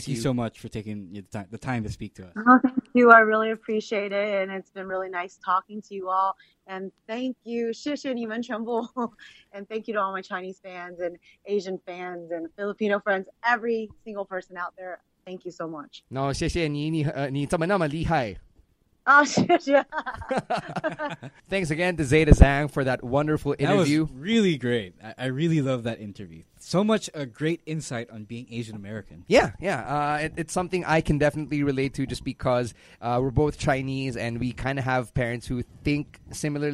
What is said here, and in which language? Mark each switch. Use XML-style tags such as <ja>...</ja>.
<en>Thank you so much for taking the time to speak to us. Thank you. I really appreciate it. And it's been really nice talking to you all. And thank you.</en> <zh>谢谢你们全部.</zh> <en>And thank you to all my Chinese fans and Asian fans and Filipino friends. Every single person out there. Thank you so much.</en> <zh>No, 谢谢你，你怎么那么厉害?</zh> <en>Thanks again to Zeda Zhang for that wonderful interview. That was really great. I really love that interview. So much a great insight on being Asian American. Yeah, yeah. It's something I can definitely relate to just because we're both Chinese and we kind of have parents who think similarly.</en>